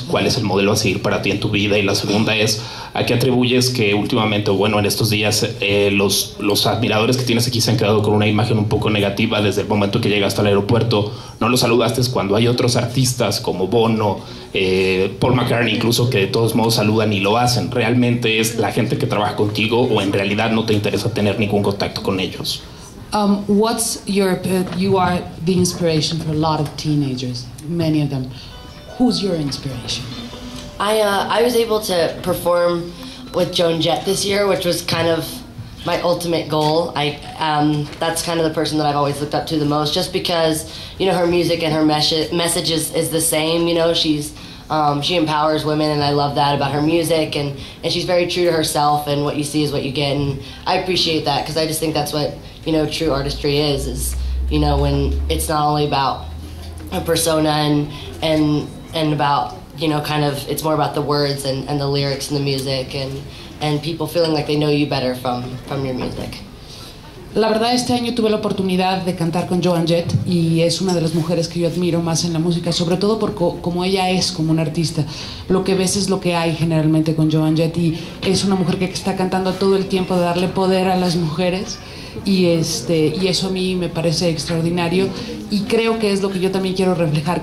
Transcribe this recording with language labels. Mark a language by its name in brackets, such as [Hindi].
[Spanish] ¿Cuál es el modelo a seguir para ti en tu vida? Y la segunda es, ¿a qué atribuyes que últimamente, bueno, en estos días, los admiradores que tienes aquí se han quedado con una imagen un poco negativa desde el momento que llegaste al aeropuerto? No los saludaste cuando hay otros artistas como Bono, Paul McCartney incluso, que de todos modos saludan y lo hacen. ¿Realmente es la gente que trabaja contigo, o en realidad no te interesa tener ningún contacto con ellos? [English] What's your, you are the inspiration for a lot of teenagers, many of them. Who's your inspiration? I was able to perform with Joan Jett this year, which was kind of my ultimate goal. That's kind of the person that I've always looked up to the most, just because, you know, her music and her message is the same. You know, she empowers women, and I love that about her music, and she's very true to herself, and what you see is what you get, and I appreciate that, because I just think that's what, you know, true artistry is, you know, when it's not only about a persona and about, you know, kind of, it's more about the words and the lyrics and the music and people feeling like they know you better from your music. [Spanish] La verdad, este año tuve la oportunidad de cantar con Joan Jett, y es una de las mujeres que yo admiro más en la música, sobre todo por como ella es como una artista. Lo que ves es lo que hay generalmente con Joan Jett, y es una mujer que está cantando todo el tiempo de darle poder a las mujeres, y eso a mí me parece extraordinario, y creo que es lo que yo también quiero reflejar.